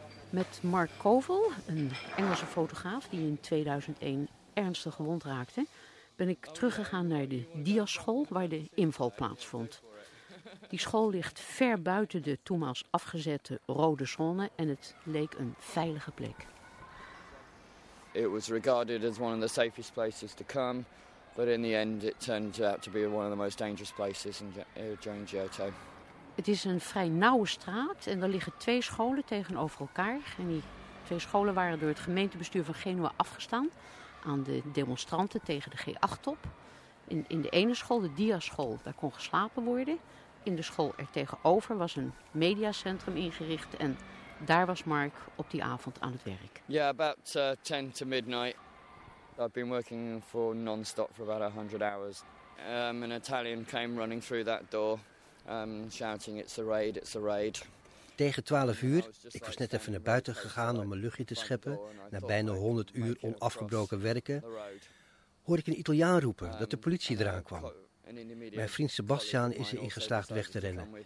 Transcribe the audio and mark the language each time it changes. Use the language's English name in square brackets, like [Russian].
[Dutch] Met Mark Kovel, een Engelse fotograaf die in 2001 ernstig gewond raakte, ben ik teruggegaan naar de Diasschool waar de inval plaatsvond. Die school ligt ver buiten de toenmaals afgezette rode zone en het leek een veilige plek. [English] It was regarded as one of the safest places to come, but in the end it turned out to be one of the most dangerous places during Giotto. [Dutch] Het is een vrij nauwe straat en er liggen 2 scholen tegenover elkaar. En die 2 scholen waren door het gemeentebestuur van Genua afgestaan aan de demonstranten tegen de G8-top. In de ene school, de Diasschool, daar kon geslapen worden. In de school er tegenover was een mediacentrum ingericht en daar was Mark op die avond aan het werk. [English] Ja, yeah, about 10 to midnight. I've been working for non-stop for about 100 hours. An Italian came running through that door, shouting, it's a raid, it's a raid. [Dutch] Tegen 12 uur, ik was net even naar buiten gegaan om een luchtje te scheppen, na bijna 100 uur onafgebroken werken, hoor ik een Italiaan roepen dat de politie eraan kwam. Mijn vriend Sebastian is erin geslaagd weg te rennen.